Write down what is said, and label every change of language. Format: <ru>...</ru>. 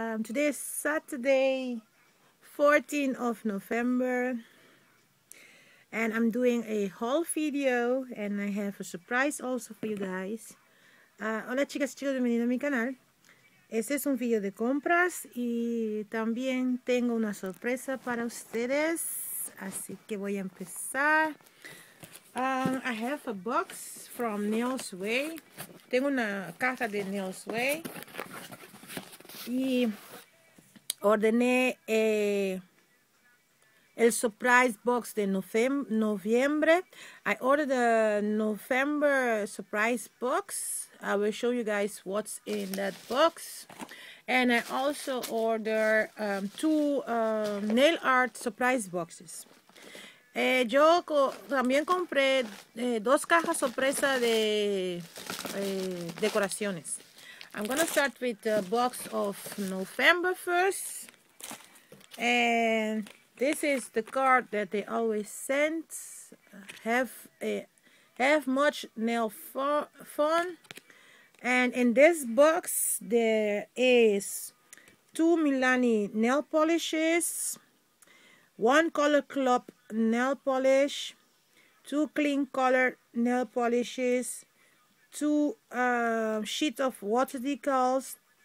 <en>Today is Saturday, 14th of November, and I'm doing a haul video, and I have a surprise also for you guys.</en> <es>Hola chicas y chicos, bienvenidos a mi canal. Este es un video de compras y también tengo una sorpresa para ustedes, así que voy a empezar.</es> <en>I have a box from Nailways.</en> <es>Tengo una caja de Nailways. Y ordené el</es> <en>surprise box</en> <es>de noviembre.</es> <en>I ordered the November surprise box. I will show you guys what's in that box. And I also ordered two nail art surprise boxes.</en> <es>Yo también compré dos cajas sorpresa de decoraciones.</es> <en>I'm gonna start with the box of November first. And this is the card that they always send. Have much nail fun. And in this box there is two Milani nail polishes, one color club nail polish, two clean color nail polishes, two sheets of water decals,</en>